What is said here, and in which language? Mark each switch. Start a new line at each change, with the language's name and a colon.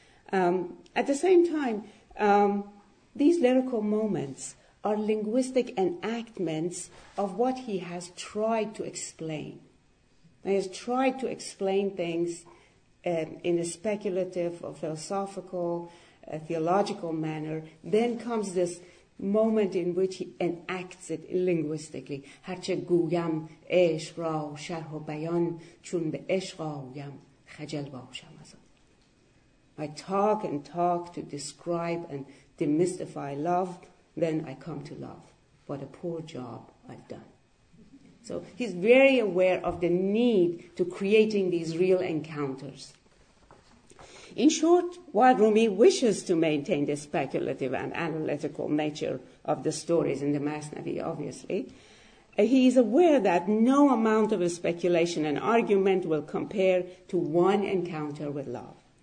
English: At the same time, these lyrical moments are linguistic enactments of what he has tried to explain. He has tried to explain things in a speculative or philosophical, theological manner. Then comes this moment in which he enacts it linguistically.
Persian: هرچه گویم عشق را شرح و بیان چون به عشق آیم خجل باشم از آن.
English: I talk and talk to describe and demystify love, then I come to love. What a poor job I've done. So he's very aware of the need to creating these real encounters. In short, while Rumi wishes to maintain the speculative and analytical nature of the stories in the Masnavi, obviously, he is aware that no amount of speculation and argument will compare to one encounter with love.